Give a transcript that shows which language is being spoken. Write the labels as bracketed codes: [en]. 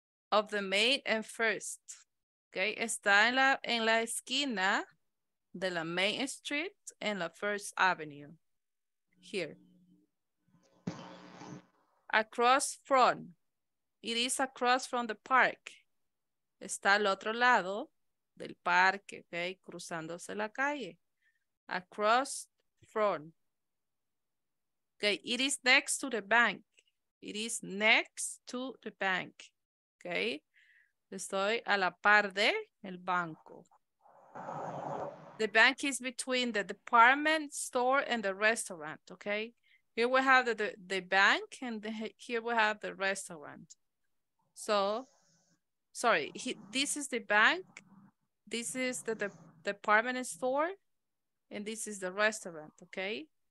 [en] Of the main and first, [es] okay? Está en la esquina de la Main Street and la First Avenue, here. [en] Across front, it is across from the park. [es] Está al otro lado del parque, okay? Cruzándose la calle. [en] Across front, Okay, it is next to the bank. It is next to the bank. [es] Okay, estoy a la par de el banco. [en] The bank is between the department store and the restaurant. Okay, here we have the bank and here we have the restaurant. So, sorry, this is the bank. This is the department store and this is the restaurant. Okay.